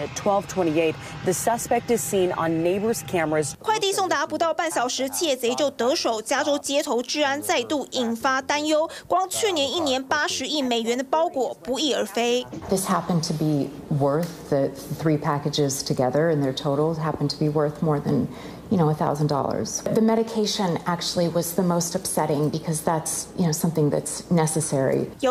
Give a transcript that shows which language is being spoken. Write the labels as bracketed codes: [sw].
[en] At 12:28, the suspect is seen on neighbors' cameras. [zh] 快递送达不到半小时，窃贼就得手。加州街头治安再度引发担忧。光去年一年80亿美元的包裹不翼而飞。 [en] This happened to be worth the three packages together, and their total happened to be worth more than, you know, $1,000. The medication actually was the most upsetting because that's, you know, something that's necessary.